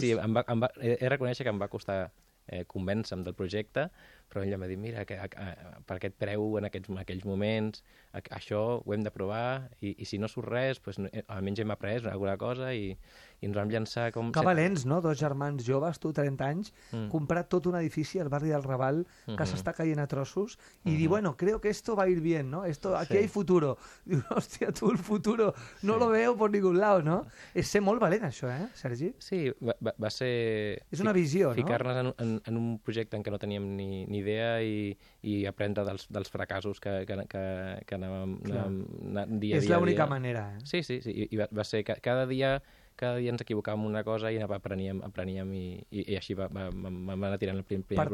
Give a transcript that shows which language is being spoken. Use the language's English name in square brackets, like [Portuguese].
[Catalan] Sí, em va, he reconeixer que em va costar convèncer-me del projecte, però ella em va dir, mira, per aquest preu en aquells moments, això ho hem de provar, i si no surt res, pues, almenys hem après alguna cosa i ens vam llançar com... Que valents, no? Dos germans joves, tu, 30 anys, comprar tot un edifici al barri del Raval, que s'està caient a trossos, i dir, bueno, [Spanish] creo que esto va a ir bien, ¿no? Esto, aquí sí. Hay futuro. [Catalan] Diu, hòstia, tu, [Spanish] el futuro, no sí. Lo veo por ningún lado, ¿no? [Catalan] És ser molt valent, això, Sergi? Sí, va ser... És una visió, no? Ficar-nos en un projecte en què no teníem ni idea i aprendre dels fracassos que anàvem dia a dia. És l'única manera. Sí. I va ser cada dia ens equivocàvem una cosa i apreníem i així vam anar tirant el primer projecte.